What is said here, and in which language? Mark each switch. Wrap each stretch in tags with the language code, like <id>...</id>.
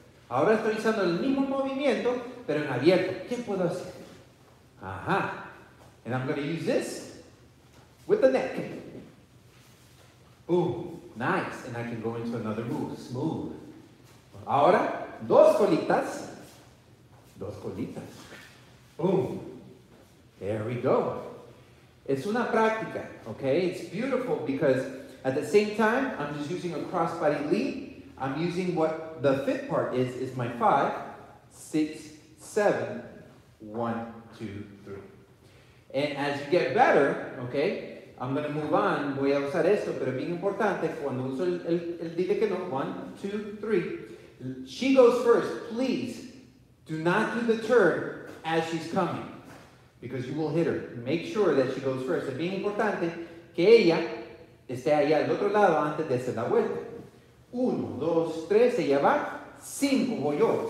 <es>Ahora estoy usando el mismo movimiento, pero en abierto. ¿Qué puedo hacer? Ajá.</es> <en>And I'm going to use this with the neck. Boom. Nice. And I can go into another move. Smooth.</en> <es>Ahora, dos colitas. Dos colitas. Boom.</es> <en>There we go.</en> <es>Es una práctica. Okay?</es> <en>It's beautiful because at the same time, I'm just using a crossbody lead. I'm using what the fifth part is my 5, 6, 7, 1, 2, 3. And as you get better, okay, I'm going to move on.</en> <es>Voy a usar esto, pero bien importante, cuando uso el dile que no, 1, 2, 3.</es> <en>She goes first. Please, do not do the turn as she's coming, because you will hit her. Make sure that she goes first.</en> <es>Es bien importante que ella esté allá al otro lado antes de hacer la vuelta. 1, 2, 3, ella va. 5, voy yo.</es>